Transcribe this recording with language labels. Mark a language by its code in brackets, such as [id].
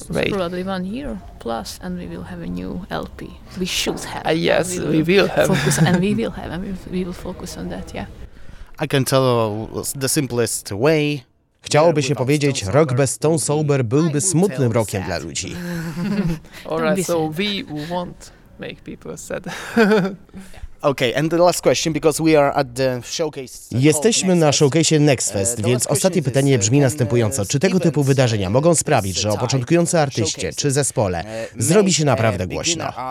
[en] Probably 1 year plus, and we will have a new LP. We should have. Yes, we will have. Focus, and we will have, and we will focus on that. Yeah. I can tell the simplest way. [pl] Chciałoby się powiedzieć, rok bez Stone Sober byłby smutnym rokiem dla ludzi. [en] All right, so we won't make people sad. Okay, and the last question, because we are at the showcase. [pl] Jesteśmy na showcase Nextfest, więc ostatnie pytanie brzmi następująco. Czy tego typu wydarzenia mogą sprawić, że o początkującym artyście czy zespole zrobi się naprawdę głośno?